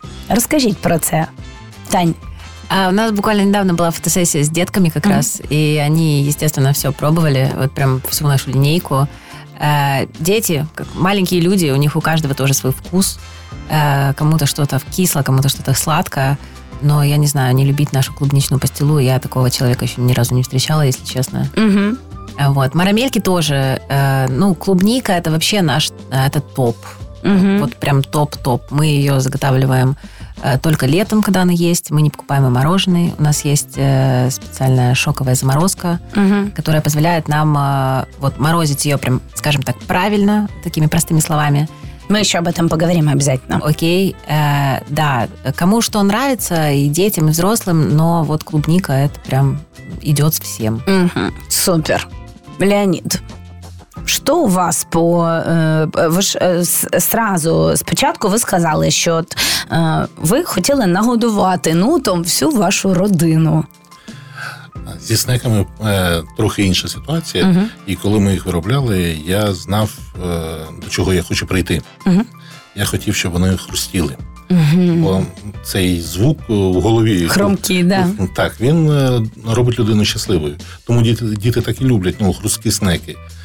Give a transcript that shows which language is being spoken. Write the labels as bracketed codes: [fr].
[uk] Розкажіть про це, Тань. У нас буквально недавно була фотосесія з дітками якраз, і вони, звісно, все пробували, от прям всю нашу лінійку. Діти, як маленькі люди, у них у кожного теж свій вкус. Кому-то щось кисло, кому-то щось сладке. [ru] Но я не знаю, не любить нашу клубничную пастилу. Я такого человека еще ни разу не встречала, если честно. Вот. Марамельки тоже. Ну, клубника – это вообще наш это топ. Вот прям топ-топ. Мы ее заготавливаем только летом, когда она есть. Мы не покупаем и мороженое. У нас есть специальная шоковая заморозка, которая позволяет нам вот морозить ее прям, скажем так, правильно, такими простыми словами. Мы еще об этом поговорим обязательно. Окей, да, кому что нравится, и детям, и взрослым, но вот клубника, это прям идет всем. Супер. Леонид, что у вас по... Вы ж сразу, спочатку вы сказали, что вы хотели [uk] нагодувати нутом [ru] всю вашу родину. [uk] Зі снеками трохи інша ситуація. І коли ми їх виробляли, я знав, до чого я хочу прийти. Я хотів, щоб вони хрустіли. Бо цей звук в голові... Хромкий, так, він робить людину щасливою. Тому діти так і люблять, ну, хрусткі снеки.